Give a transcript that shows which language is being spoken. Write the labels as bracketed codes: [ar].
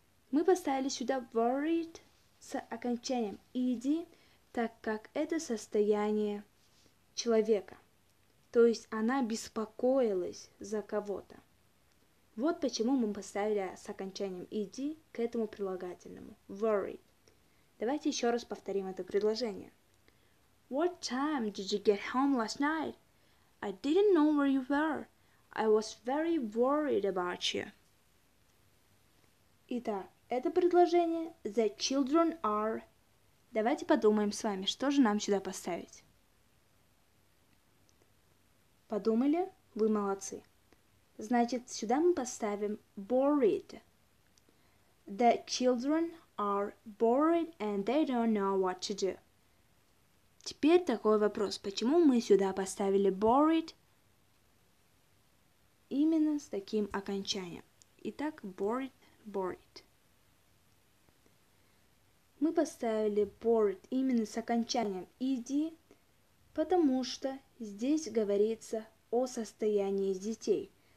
[ru] Мы поставили сюда worried с окончанием ed, так как это состояние человека. То есть она беспокоилась за кого-то. Вот почему мы поставили с окончанием ed к этому прилагательному worried. Давайте еще раз повторим это предложение. [en] What time did you get home last night? I didn't know where you were. I was very worried about you. [ru] Итак, это предложение [en] the children are. [ru] Давайте подумаем с вами, что же нам сюда поставить. Подумали? Вы молодцы. Значит, сюда мы поставим worried. [en] The children are worried and they don't know what to do. [ru] Теперь такой вопрос, почему мы сюда поставили worried именно с таким окончанием. Итак, [en] worried, worried. [ru] Мы поставили worried именно с окончанием ed, потому что здесь говорится о состоянии детей.